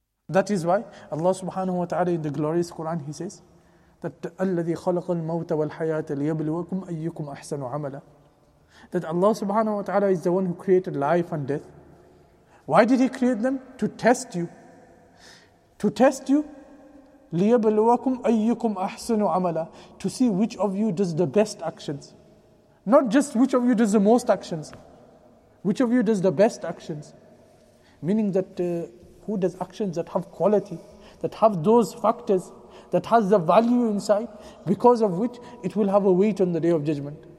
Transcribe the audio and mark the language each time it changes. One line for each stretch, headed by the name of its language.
English: That is why Allah subhanahu wa ta'ala in the glorious Quran, He says that
Arabic: الَّذِي خَلَقَ الْمَوْتَ وَالْحَيَاةَ لِيَبْلُوَكُمْ أَيُّكُمْ أَحْسَنُ عَمَلًا.
English: That Allah subhanahu wa ta'ala is the one who created life and death. Why did He create them? To test you. To test you,
Arabic: لِيَبْلُوَكُمْ أَيُّكُمْ أَحْسَنُ عَمَلًا.
English: To see which of you does the best actions. Not just which of you does the most actions. Which of you does the best actions. Meaning that who does actions that have quality, that have those factors, that has the value inside, because of which it will have a weight on the Day of Judgment.